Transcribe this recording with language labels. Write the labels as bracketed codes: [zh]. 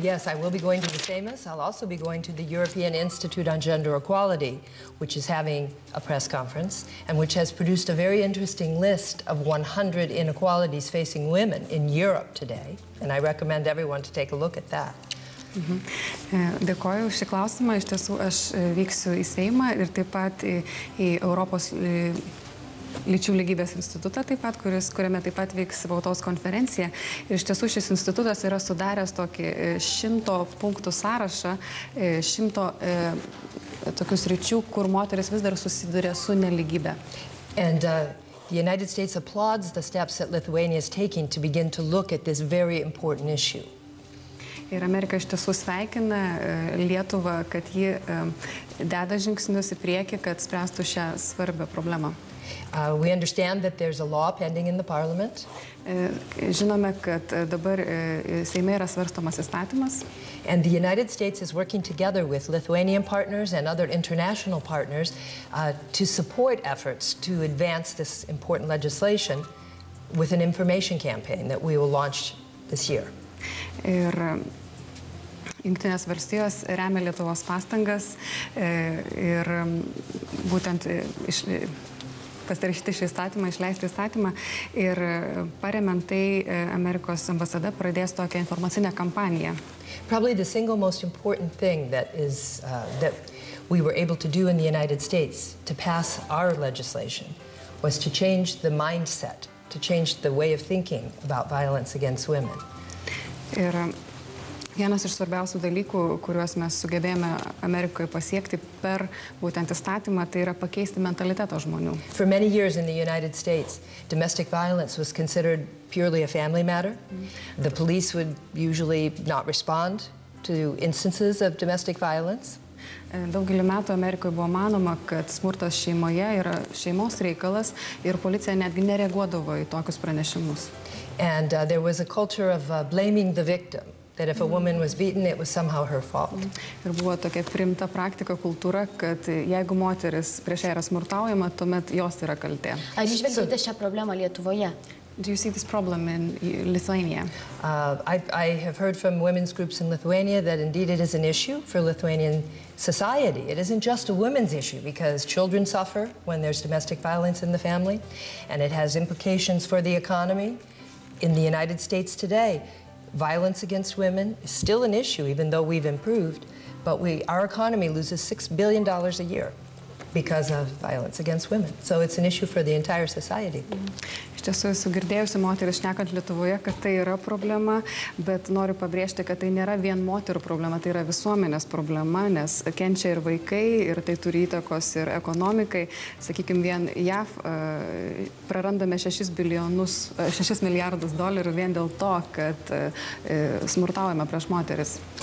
[en] Yes, I will be going to the Seimas. I'll also be going to the European Institute on Gender Equality, which is having a press conference, and which has produced a very interesting list of 100 inequalities facing women in Europe today. And I recommend everyone to take a look at that. [lt] Dėkoju už šį klausimą. Iš tiesų, aš vyksiu į Seimą ir taip pat į Europos Lyčių lygybės institutą taip pat, kuriame taip pat vyks spaudos konferencija. Ir iš tiesų šis institutas yra sudaręs tokį 100 punktų sąrašą, 100 tokių sričių, kur moteris vis dar susiduria su nelygybe. [en] And the United States applauds the steps that Lithuania is taking to begin to look at this very important issue. [lt] Ir Amerika iš tiesų sveikina Lietuvą, kad ji deda žingsnius į priekį, kad spręstų šią svarbią problemą. [en] We understand that there's a law pending in the parliament. [lt] Žinome, kad dabar Seime yra svarstomas įstatymas. [en] And the United States is working together with Lithuanian partners and other international partners to support efforts to advance this important legislation with an information campaign that we will launch this year. [lt] Ir Jungtinės valstijos remia Lietuvos pastangas ir būtent iš pasirašyti šį įstatymą, išleisti įstatymą ir paremantai Amerikos ambasada pradės tokią informacinę kampaniją. [en] Probably the single most important thing that is that we were able to do in the United States to pass our legislation was to change the mindset, to change the way of thinking about violence against women. [lt] Ir vienas iš svarbiausių dalykų, kuriuos mes sugebėjome Amerikoje pasiekti per būtent įstatymą, tai yra pakeisti mentalitetą žmonių. [en] For many years in the United States, domestic violence was considered purely a family matter. The police would usually not respond to instances of domestic violence. [lt] Daugelį metų Amerikoje buvo manoma, kad smurtas šeimoje yra šeimos reikalas ir policija netgi nereaguodavo į tokius pranešimus. [en] And there was a culture of blaming the victim, that if a woman was beaten, it was somehow her fault. [lt] Ir buvo tokia priimta praktika, kultūra, kad jeigu moteris prieš ją yra smurtaujama, tuomet jos yra kaltė. Ar išvelgėte šią problemą Lietuvoje? [en] Do you see this problem in Lithuania? I have heard from women's groups in Lithuania that indeed it is an issue for Lithuanian society. It isn't just a women's issue because children suffer when there's domestic violence in the family, and it has implications for the economy. In the United States today, violence against women is still an issue, even though we've improved, but our economy loses $6 billion a year because of violence against women. So it's an issue for the entire society. [lt] Iš tiesų esu girdėjusi moterį šnekant Lietuvoje, kad tai yra problema, bet noriu pabrėžti, kad tai nėra vien moterų problema, tai yra visuomenės problema, nes kenčia ir vaikai, ir tai turi įtakos ir ekonomikai. Sakykime, vien JAV prarandame 6 milijardus dolerių vien dėl to, kad smurtaujame prieš moteris.